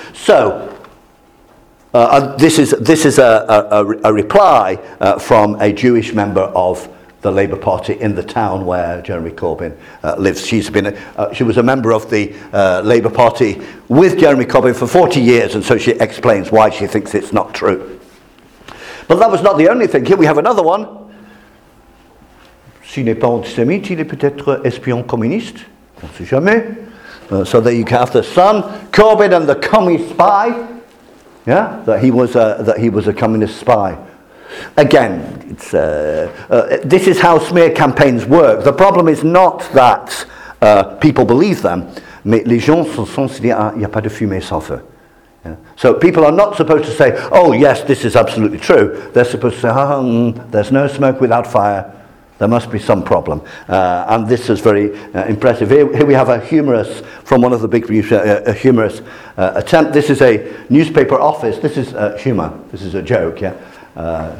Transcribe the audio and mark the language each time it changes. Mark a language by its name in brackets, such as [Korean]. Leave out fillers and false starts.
[English] So this is a reply from a Jewish member of the Labour Party in the town where Jeremy Corbyn lives. She was a member of the Labour Party with Jeremy Corbyn for 40 years, and so she explains why she thinks it's not true. But that was not the only thing. Here we have another one. [French] S'il n'est pas antisémite, il est peut-être espion communiste. On ne sait jamais. [English] So there you have the Sun, Corbyn and the commie spy. Yeah, that he was a communist spy. Again, this is how smear campaigns work. The problem is not that people believe them. [French] Mais les gens sont censés dire, il n'y a pas de fumée sans feu. [English] So people are not supposed to say, oh yes, this is absolutely true. They're supposed to say, there's no smoke without fire. There must be some problem. And this is very impressive. Here we have a humorous, from one of the big, humorous attempt. This is a newspaper office. This is humor. This is a joke, yeah?